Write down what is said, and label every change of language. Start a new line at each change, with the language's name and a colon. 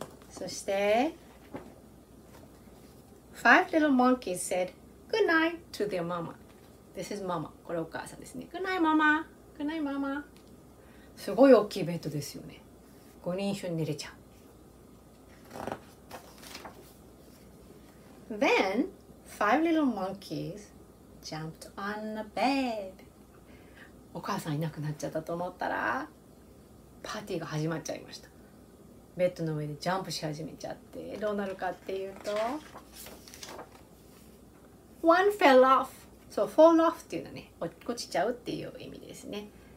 Japanese: そして
English: 5 little monkeys said good night to their mama. This is mama.
Japanese: これお母さんですね。
English: good night mama. good night mama.
Japanese: すごい大きいベッドですよね。 5人一緒に寝れちゃう。
English: Then, five little monkeys jumped on the bed.
Japanese: お母さんいなくなっちゃったと思ったら、パーティーが始まっちゃいました。ベッドの上でジャンプし始めちゃって、どうなるかっていうと、
English: One fell off.
Japanese: So, fall off っていうのはね、落っこちちゃうっていう意味ですね。